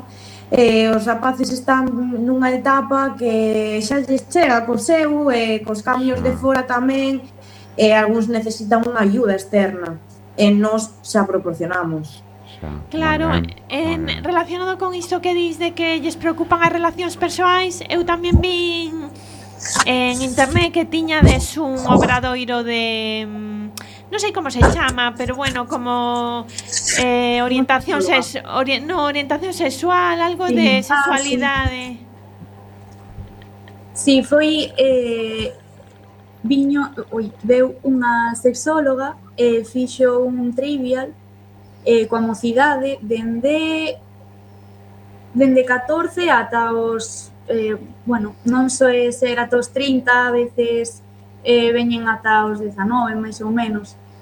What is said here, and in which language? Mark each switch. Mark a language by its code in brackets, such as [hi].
[gl] Os rapaces están nunha etapa que xa lles chega co seu, cos cambios de fora tamén, algúns necesitan unha ayuda externa e nos xa proporcionamos. Claro, relacionado con isto que dis de que lles preocupan as relacións persoais, eu tamén vi en internet que tiñades un obradoiro de [es] no sé cómo se llama, pero bueno, como orientación orientación sexual, algo de sexualidad. [gl] Sí, foi veu unha sexóloga, fixo un trivial coa mocidade dende 14 ata os non soe ser ata os 30, a veces veñen ata os 19, máis ou menos.